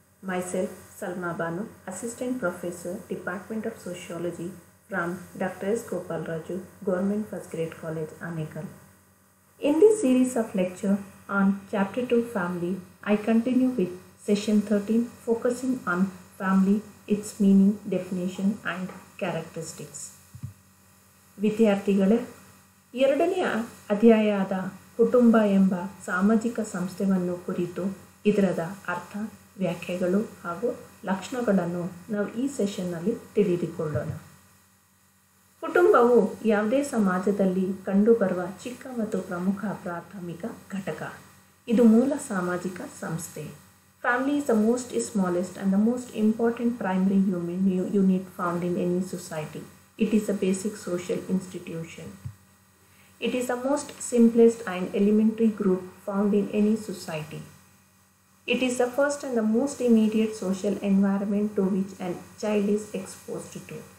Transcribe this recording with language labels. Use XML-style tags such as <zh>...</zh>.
<en>Myself, Salma Banu, Assistant Professor, Department of Sociology from Dr. S. Gopal Raju, Government First Grade College, Anekal. In this series of lecture on Chapter 2, Family, I continue with Session 13, focusing on family, its meaning, definition, and characteristics.</en> <kn>Vidyarthigale, ಎರಡನೆಯ ಅಧ್ಯಾಯದ ಕುಟುಂಬ ಎಂಬ ಸಾಮಾಜಿಕ ಸಂಸ್ಥೆವನ್ನು ಕುರಿತು ಇದರ ಅರ್ಥ ವ್ಯಾಖ್ಯೆಗಳು ಹಾಗೂ ಲಕ್ಷಣಗಳನ್ನು ನಾವು ಈ ಸೆಷನ್ನಲ್ಲಿ ತಿಳಿದುಕೊಳ್ಳೋಣ. ಕುಟುಂಬವು ಯಾವುದೇ ಸಮಾಜದಲ್ಲಿ ಕಂಡುಬರುವ ಚಿಕ್ಕ ಮತ್ತು ಪ್ರಮುಖ ಪ್ರಾಥಮಿಕ ಘಟಕ. ಇದು ಮೂಲ ಸಾಮಾಜಿಕ ಸಂಸ್ಥೆ.</kn> <en>Family is the most smallest and the most important primary unit found in any society. It is a basic social institution. It is the most simplest and elementary group found in any society. It is the first and the most immediate social environment to which a child is exposed to.</en>